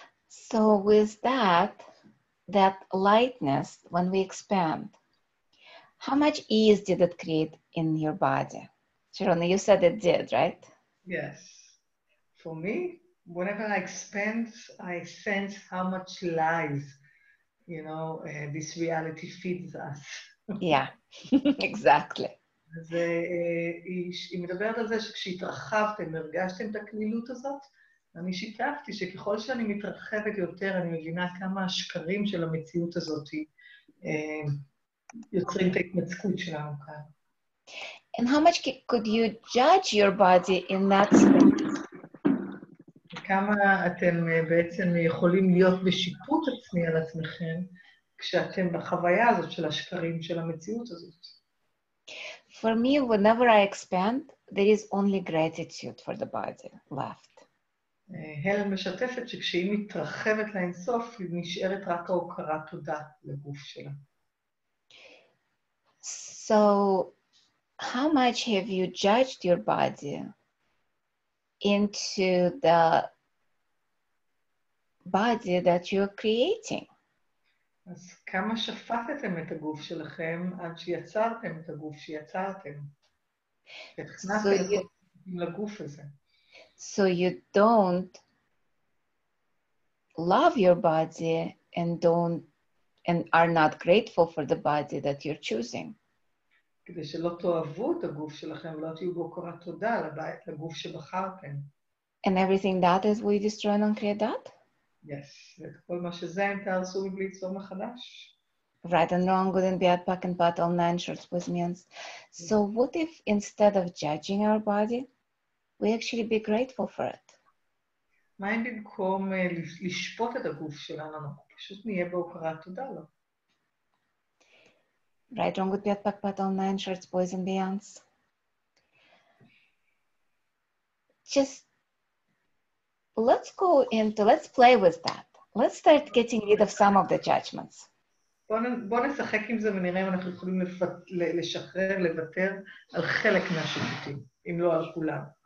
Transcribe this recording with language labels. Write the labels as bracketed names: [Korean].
[English] So with that, that lightness, when we expand, how much ease did it create in your body? Sharona, you said it did, right? Yes. For me, whenever I expand, I sense how much lies, you know, this reality feeds us. Yeah, exactly. [Hebrew] והיא מדברת על זה שכשהתרחבתם, הרגשתם את הקלילות הזאת, אני שיתפתי שככל שאני מתרחבת יותר, אני מבינה כמה השקרים של המציאות הזאת יוצרים את ההתמצקות שלנו כאן. [English] And how much could you judge your body in that space? [Hebrew] כמה אתם בעצם יכולים להיות בשיפוט עצמי על עצמכם, כשאתם בחוויה הזאת של השקרים של המציאות הזאת. [English] For me, whenever I expand, there is only gratitude for the body left. [Hebrew] Helen משתפת שכשהיא מתרחבת לאינסוף, היא נשארת רק ההוקרה תודה לגוף שלה. [English] So, how much have you judged your body into the body that you're creating? [Hebrew] אז כמה שפטתם את הגוף שלכם עד שיצרתם את הגוף שיצרתם? שתכנסתם לגוף הזה. [English] So you don't love your body and are not grateful for the body that you're choosing. [Hebrew] כדי שלא תאהבו את הגוף שלכם ולא תהיו בהוקרה תודה לגוף שבחרתם. [English] And everything that is, will you destroy and uncreate that? [Hebrew] Yes, ואת כל מה שזה, אם תעשו מבלי צור מחדש. [English] Right and wrong, good and bad, back and bad, all nine shorts with means. So what if instead of judging our body, we actually be grateful for it? [Hebrew] מה אם במקום לשפוט את הגוף שלנו, אנחנו פשוט נהיה בהוקרת תודה לו? [English] Right, wrong, good, bad, back, bad, all nine shorts, boys and beyonds. Let's play with that. Let's start getting rid of some of the judgments. [Hebrew] בוא נשחק עם זה ונראה אם אנחנו יכולים לשחרר, לוותר על חלק מהשיפוטים, אם לא על כולם.